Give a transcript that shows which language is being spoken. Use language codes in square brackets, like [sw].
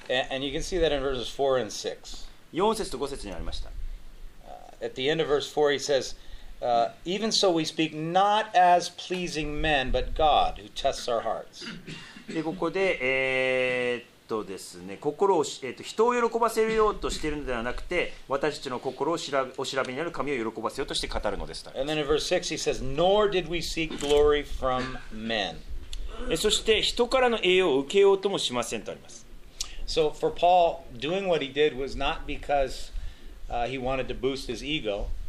[en] And you can see that in verses 4 and 6. [ja] 4節と5節にありました。 [en] At the end of verse 4, he says, Even so we speak not as pleasing men, but God who tests our hearts. [ja] で、ここで、ですね、心を、人を喜ばせようとしているのではなくて、私たちの心を調べになる神を喜ばせようとして語るのです。 [en] And then in verse 6 he says, Nor did we seek glory from men. [ja] そして人からの栄誉を受けようともしませんとあります。 [en] So for Paul, doing what he did was not because, he wanted to boost his ego.